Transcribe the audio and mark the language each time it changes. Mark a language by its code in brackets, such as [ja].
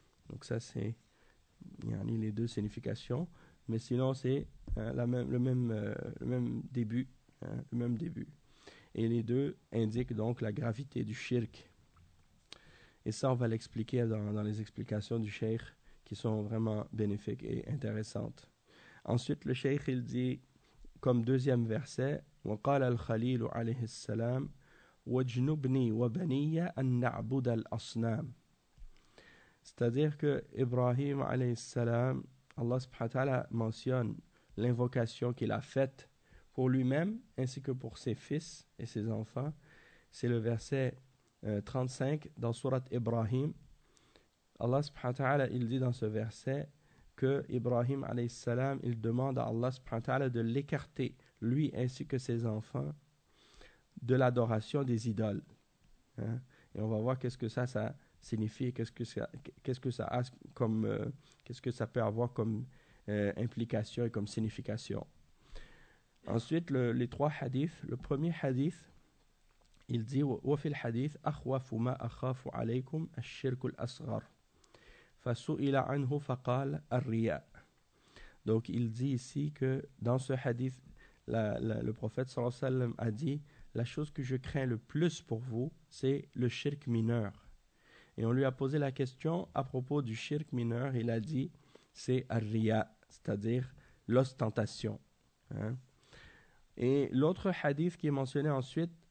[fr] Donc ça c'est, il y en a les deux significations, mais sinon c'est le même début. Et les deux indiquent donc la gravité du shirk. Et ça, on va l'expliquer dans les explications du shaykh, qui sont vraiment bénéfiques et intéressantes. Ensuite, le shaykh, il dit, comme deuxième verset, [ar] وقال الخليل عليه السلام وجنبني وبني أن نعبد الأصنام. [fr] C'est-à-dire que Ibrahim عليه السلام, Allah subhanahu wa ta'ala mentionne l'invocation qu'il a faite pour lui-même ainsi que pour ses fils et ses enfants. C'est le verset 35 dans Surat Ibrahim. Allah subhanahu wa ta'ala, il dit dans ce verset que Ibrahim alayhi salam, il demande à Allah subhanahu wa ta'ala de l'écarter, lui ainsi que ses enfants, de l'adoration des idoles. Hein? Et on va voir qu'est-ce que ça signifie, qu'est-ce que ça peut avoir comme implication et comme signification. Ensuite, les trois hadiths. Le premier hadith, il dit [ar] وَفِي الْحَدِيثِ أَخْوَفُ مَا أَخَافُ عَلَيْكُمْ الشِّرْكُ الْأَصْغَرُ فَسُئِلَ عَنْهُ فَقَالَ الرِّيَاءُ. [fr] Donc, il dit ici que dans ce hadith, le prophète sallallahu alayhi wa sallam a dit la chose que je crains le plus pour vous, c'est le shirk mineur. Et on lui a posé la question à propos du shirk mineur. Il a dit c'est الرِّيَاءُ, c'est-à-dire l'ostentation. Hein? Et l'autre hadith qui est mentionné ensuite,